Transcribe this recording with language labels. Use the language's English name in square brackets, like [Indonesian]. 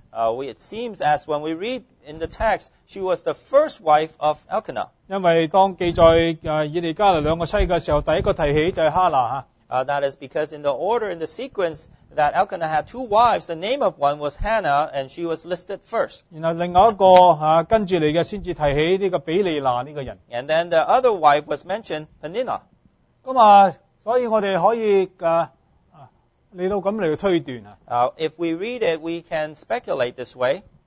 [English] It seems as when we read in the text, she was the first wife of Elkanah. [Chinese] 因為當記載以利加勒兩個妻嘅時候，第一個提起就係哈拿嚇。 [English] That is because in the order, in the sequence, that Elkanah had two wives, the name of one was Hannah, and she was listed first. [Chinese] 然後另外一個跟住嚟嘅先至提起呢個比利拿呢個人。 [English] And then the other wife was mentioned, Peninnah. [Chinese] 咁啊，所以我哋可以嚟到咁嚟推斷啊。 [English] If we read it, we can speculate this way.